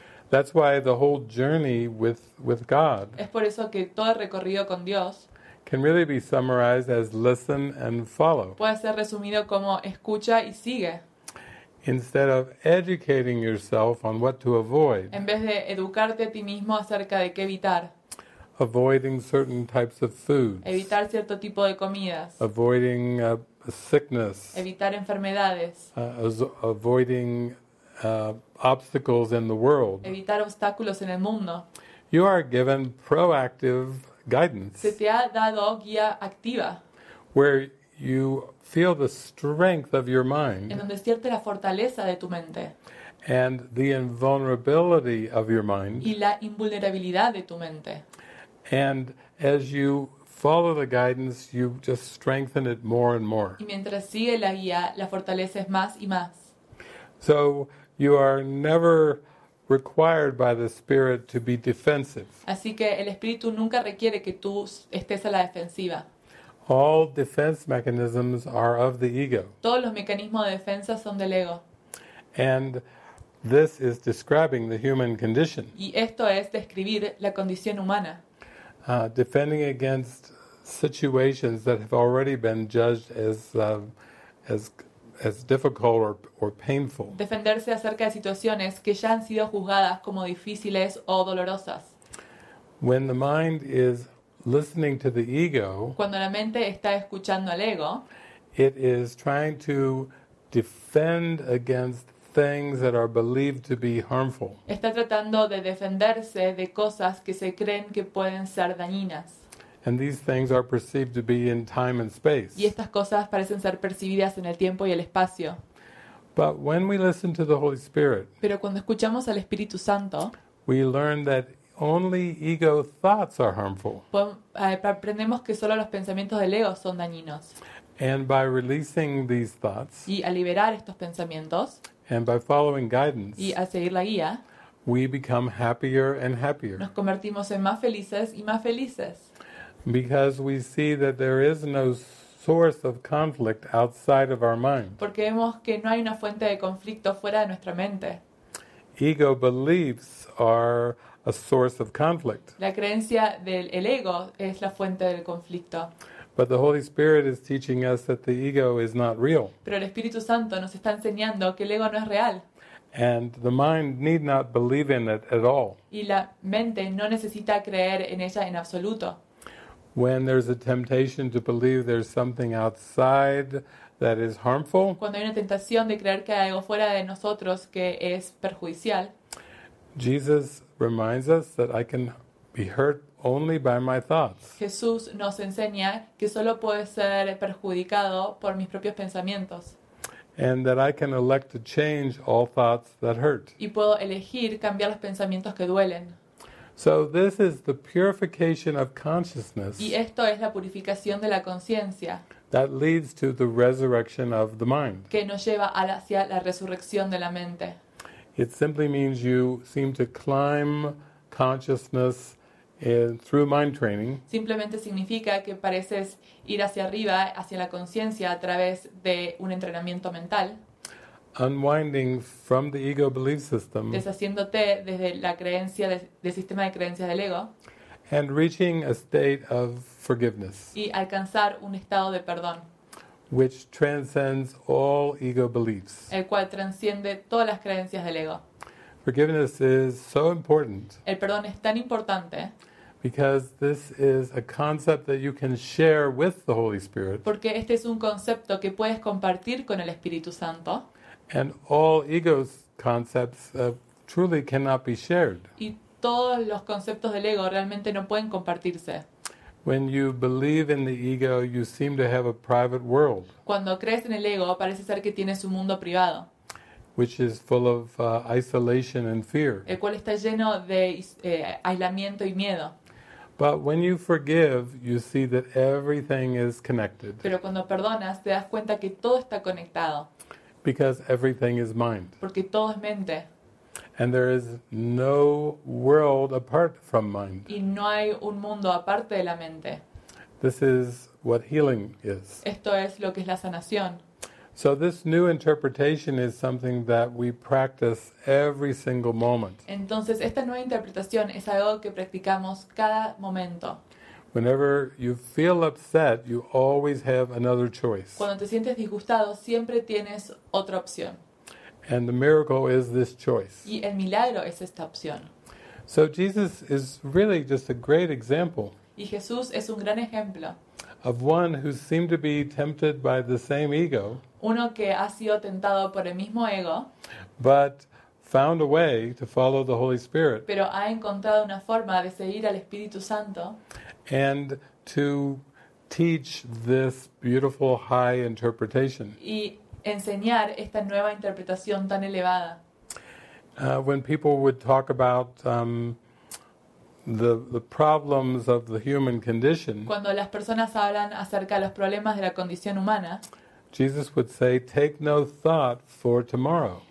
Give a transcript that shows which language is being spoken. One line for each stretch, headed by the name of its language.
English: That's why the whole journey with God.
Spanish: Es por eso que todo el recorrido con Dios.
English: Can really be summarized as listen and follow.
Spanish: Puede ser resumido como escucha y sigue.
English: Instead of educating yourself on what to avoid.
Spanish: En vez de educarte a ti mismo acerca de qué evitar.
English: Avoiding certain types of foods.
Spanish: Evitar cierto tipo de comidas.
English: Avoiding sickness.
Spanish: Evitar enfermedades.
English: Avoiding obstacles in the world.
Spanish: Evitar obstáculos en el mundo.
English: You are given proactive guidance.
Spanish: Se te ha dado guía activa.
English: Where you feel the strength of your mind.
Spanish: En donde sientes la fortaleza de tu mente.
English: And the invulnerability of your mind.
Spanish: Y la invulnerabilidad de tu mente.
English: And as you follow the guidance, you just strengthen it more and more.
Spanish: Y mientras sigue la guía, la fortaleces más y más.
English: So you are never required by the Spirit to be defensive.
Spanish: Así que el Espíritu nunca requiere que tú estés a la defensiva.
English: All defense mechanisms are of the ego.
Spanish: Todos los mecanismos de defensa son del ego.
English: And this is describing the human condition.
Spanish: Y esto es describir la condición humana.
English: Defending against situations that have already been judged as difficult or painful.
Spanish: Defenderse acerca de situaciones que ya han sido juzgadas como difíciles o dolorosas.
English: When the mind is listening to the ego,
Spanish: cuando la mente está escuchando al ego,
English: it is trying to defend against things that are believed to be harmful.
Spanish: Está tratando de defenderse de cosas que se creen que pueden ser dañinas.
English: And these things are perceived to be in time and space.
Spanish: Y estas cosas parecen ser percibidas en el tiempo y el espacio.
English: But when we listen to the Holy Spirit,
Spanish: pero cuando escuchamos al Espíritu Santo,
English: we learn that only ego thoughts are harmful.
Spanish: Aprendemos que solo los pensamientos del ego son dañinos.
English: And by releasing these thoughts,
Spanish: y al liberar estos pensamientos,
English: and by following guidance,
Spanish: y al seguir la guía,
English: we become happier and happier.
Spanish: Nos convertimos en más felices y más felices.
English: Because we see that there is no source of conflict outside of our mind.
Spanish: Porque vemos que no hay una fuente de conflicto fuera de nuestra mente.
English: Ego beliefs are a source of conflict.
Spanish: La creencia del el ego es la fuente del conflicto.
English: But the Holy Spirit is teaching us that the ego is not real.
Spanish: Pero el Espíritu Santo nos está enseñando que el ego no es real.
English: And the mind need not believe in it at all.
Spanish: Y la mente no necesita creer en ella en absoluto.
English: When there's a temptation to believe there's something outside that is harmful,
Spanish: cuando hay una tentación de creer que hay algo fuera de nosotros que es perjudicial,
English: Jesus reminds us that I can be hurt only by my thoughts.
Spanish: Jesús nos enseña que solo puedo ser perjudicado por mis propios pensamientos.
English: And that I can elect to change all thoughts that hurt.
Spanish: Y puedo elegir cambiar los pensamientos que duelen.
English: So this is the purification of consciousness.
Spanish: Y esto es la purificación de la conciencia.
English: That leads to the resurrection of the mind.
Spanish: Que nos lleva hacia la resurrección de la mente.
English: It simply means you seem to climb consciousness through mind training.
Spanish: Simplemente significa que pareces ir hacia arriba, hacia la conciencia a través de un entrenamiento mental.
English: Unwinding from the ego belief system.
Spanish: Deshaciéndote desde la creencia del sistema de creencias del ego.
English: And reaching a state of forgiveness.
Spanish: Y alcanzar un estado de perdón.
English: Which transcends all ego beliefs.
Spanish: El cual transciende todas las creencias del ego.
English: Forgiveness is so important.
Spanish: El perdón es tan importante.
English: Because this is a concept that you can share with the Holy Spirit.
Spanish: Porque este es un concepto que puedes compartir con el Espíritu Santo.
English: And all ego concepts truly cannot be shared.
Spanish: Y todos los conceptos del ego realmente no pueden compartirse.
English: When you believe in the ego, you seem to have a private world.
Spanish: Cuando crees en el ego, parece ser que tienes un mundo privado.
English: Which is full of isolation and fear.
Spanish: El cual está lleno de aislamiento y miedo.
English: But when you forgive, you see that everything is connected.
Spanish: Pero cuando perdonas, te das cuenta que todo está conectado.
English: Because everything is mind.
Spanish: Porque todo es mente.
English: And there is no world apart from mind.
Spanish: Y no hay un mundo aparte de la mente.
English: This is what healing is.
Spanish: Esto es lo que es la sanación.
English: So this new interpretation is something that we practice every single moment.
Spanish: Entonces esta nueva interpretación es algo que practicamos cada momento.
English: Whenever you feel upset, you always have another choice.
Spanish: Cuando te sientes disgustado, siempre tienes otra opción.
English: And the miracle is this choice.
Spanish: Y el milagro es esta opción.
English: So Jesus is really just a great example.
Spanish: Y Jesús es un gran ejemplo.
English: Of one who seemed to be tempted by the same ego.
Spanish: Uno que ha sido tentado por el mismo ego.
English: But found a way to follow the Holy Spirit.
Spanish: Pero ha encontrado una forma de seguir al Espíritu Santo.
English: And to teach this beautiful high interpretation.
Spanish: Y enseñar esta nueva interpretación tan elevada.
English: When people would talk about the problems of the human condition.
Spanish: Cuando las personas hablan acerca de los problemas de la condición humana.
English: Jesus would say, "Take no thought for tomorrow."